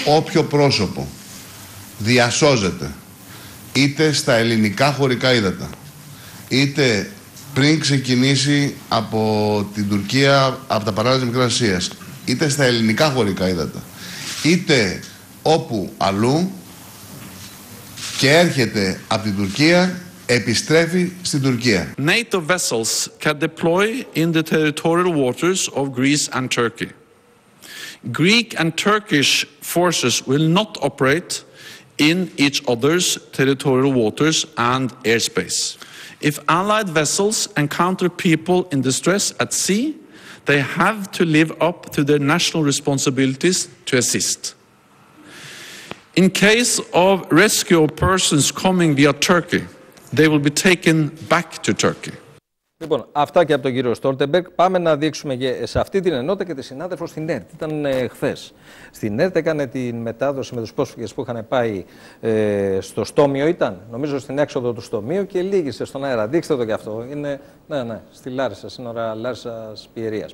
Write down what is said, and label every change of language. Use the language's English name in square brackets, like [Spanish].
[Greek] Όποιο πρόσωπο διασώζεται είτε στα ελληνικά χωρικά ύδατα, είτε πριν ξεκινήσει από την Τουρκία, από τα παράλια της Μικράς Ασίας, είτε στα ελληνικά χωρικά ύδατα, είτε όπου αλλού και έρχεται από την Τουρκία, επιστρέφει στην Τουρκία. [English] NATO vessels can deploy in the territorial waters of Greece and Turkey. Greek and Turkish forces will not operate in each other's territorial waters and airspace. If allied vessels encounter people in distress at sea, they have to live up to their national responsibilities to assist. In case of rescue of persons coming via Turkey, they will be taken back to Turkey. [Greek] Λοιπόν, αυτά και από τον κύριο Στόλτεμπεργκ. Πάμε να δείξουμε σε αυτή την ενότητα και τη συνάδελφο στην ΕΡΤ. Ήταν χθες. Στην ΕΡΤ έκανε την μετάδοση με τους πρόσφυγες που είχαν πάει στο Στόμιο. Ήταν, νομίζω, στην έξοδο του Στομίου και λύγησε στον αέρα. Δείξτε το κι αυτό. Είναι, ναι, στη Λάρισα, σύνορα Λάρισας Πιερίας.